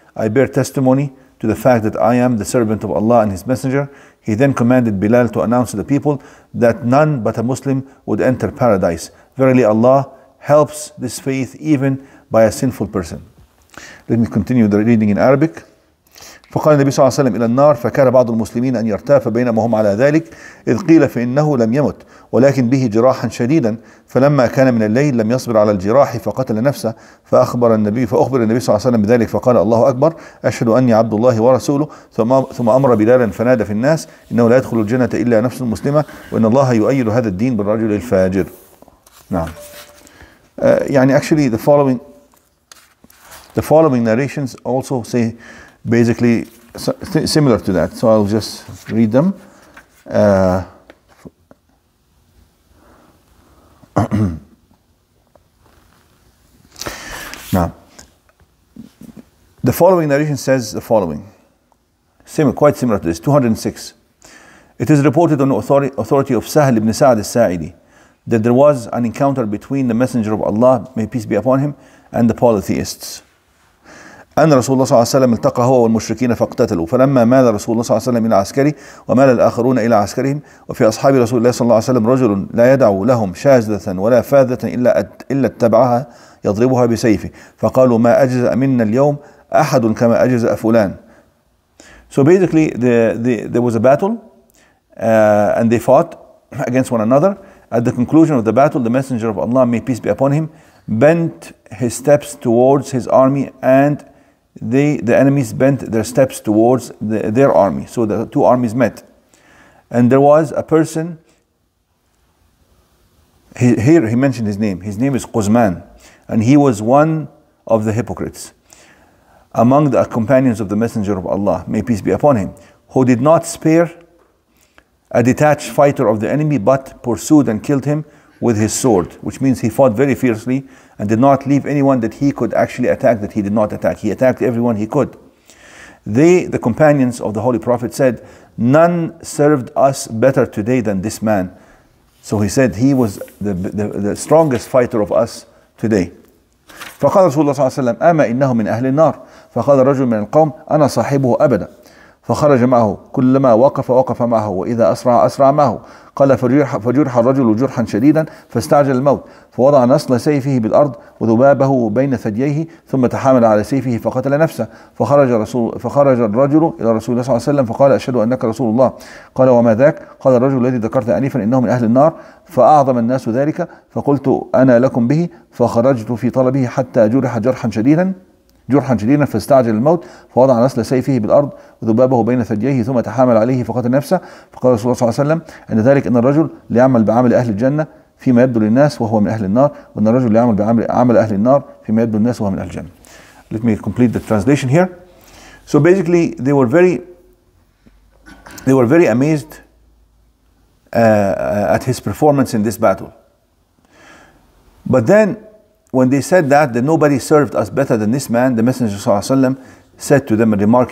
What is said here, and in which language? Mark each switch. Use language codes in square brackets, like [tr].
[en] I bear testimony to the fact that I am the servant of Allah and His Messenger. He then commanded Bilal to announce to the people that none but a Muslim would enter paradise. Verily, Allah helps this faith even by a sinful person. Let me continue the reading in Arabic. [ar] فقال النبي صلى الله عليه وسلم إلى النار فكان بعض المسلمين أن يرتاف بينما هم على ذلك إذ قيل فإنه لم يمت ولكن به جراحا شديدا فلما كان من الليل لم يصبر على الجراح فقتل نفسه فأخبر النبي صلى الله عليه وسلم بذلك فقال الله أكبر أشهد أني عبد الله ورسوله ثم أمر بلالا فنادى في الناس إنه لا يدخل الجنة إلا نفس مسلمة وإن الله يؤيد هذا الدين بالرجل الفاجر. نعم. [en] يعني actually the following narrations also say basically similar to that. So I'll just read them. Now, the following narration says the following. Quite similar to this, 206. It is reported on the authority of Sahal ibn Sa'd al-Sa'idi that there was an encounter between the Messenger of Allah, may peace be upon him, and the polytheists. [ar] أن رسول الله صلى الله عليه وسلم التقى هو والمشركين فاقتتلوا فلما مال رسول الله صلى الله عليه وسلم إلى عسكره ومال الآخرون إلى عسكرهم وفي أصحاب رسول الله صلى الله عليه وسلم رجل لا يدع لهم شاذة ولا فاذة إلا اتبعها يضربها بسيفه فقالوا ما أجزأ منا اليوم أحد كما أجزأ فلان. [en] So basically there was a battle and they fought against one another. At the conclusion of the battle, the Messenger of Allah, may peace be upon him, bent his steps towards his army, and the enemies bent their steps towards their army. So the two armies met. And there was a person, here he mentioned his name is Quzman, and he was one of the hypocrites. among the companions of the Messenger of Allah, may peace be upon him, who did not spare a detached fighter of the enemy, but pursued and killed him with his sword, which means he fought very fiercely and did not leave anyone that he could actually attack that he did not attack. He attacked everyone he could. They, the companions of the Holy Prophet, said, none served us better today than this man. So he said he was the strongest fighter of us today. [ar] فقال رسول الله صلى الله عليه وسلم أما إنه من أهل النار فقال رجل من القوم أنا صاحبه أبدا فخرج معه كلما وقف وقف معه وإذا أسرع أسرع معه قال فجرح الرجل جرحا شديدا فاستعجل الموت فوضع نصل سيفه بالأرض وذبابه بين ثدييه ثم تحامل على سيفه فقتل نفسه فخرج الرجل إلى رسول الله صلى الله عليه وسلم فقال أشهد أنك رسول الله قال وما ذاك قال الرجل الذي ذكرت أنيفا إنه من أهل النار فأعظم الناس ذلك فقلت أنا لكم به فخرجت في طلبه حتى جرح جرحا شديدا فاستعجل الموت فوضع نسل سيفه بالأرض وذبابه بين ثدييه ثم تحامل عليه فقتل نفسه فقال رسول الله صلى الله عليه وسلم أن ذلك أن الرجل ليعمل بعمل أهل الجنة فيما يبدو للناس وهو من أهل النار وأن الرجل ليعمل بعمل أهل النار فيما يبدو للناس وهو من أهل الجنة. [en] Let me complete the translation here. So basically they were very amazed at his performance in this battle. But then when they said that nobody served us better than this man, the Messenger said to them a remark.